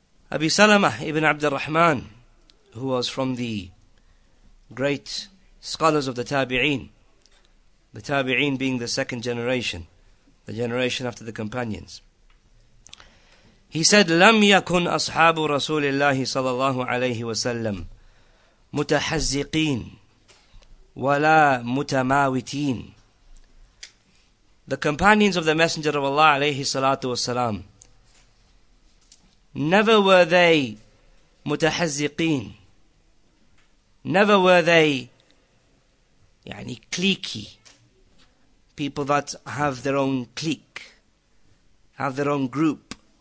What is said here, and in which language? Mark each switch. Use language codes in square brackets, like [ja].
[en] Abi Salama ibn Abd al-Rahman, who was from the great scholars of the Tabi'een. The Tabi'een being the second generation. The generation after the companions. He said, [ar] لَمْ يَكُنْ أَصْحَابُ رَسُولِ اللَّهِ صَلَى اللَّهُ عَلَيْهِ وَسَلَّمْ مُتَحَزِّقِينَ وَلَا مُتَمَاوِتِينَ. [en] The companions of the Messenger of Allah [ar] عليه الصلاة والسلام, [en] never were they متحزقين, never were they يعني cliquey, people that have their own clique, have their own group.